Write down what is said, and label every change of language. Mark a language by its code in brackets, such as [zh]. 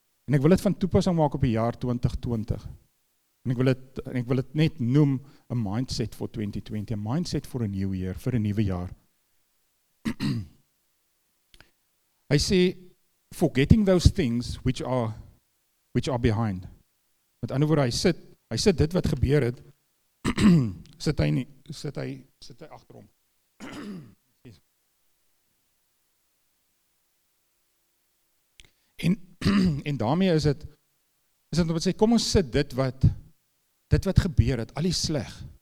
[af] En ek wil het van toepassing maak op die jaar 2020. En ek wil het net noem een mindset voor 2020, een mindset voor een nieuwe jaar, voor een nieuwe jaar. Hy sê, [en] forgetting those things which are behind. [af] Met ander woorde, hy sê dit wat gebeur het, sit hy agter hom. En daarmee is dit om te sê, kom ons sit dit wat gebeur het, al die sleg.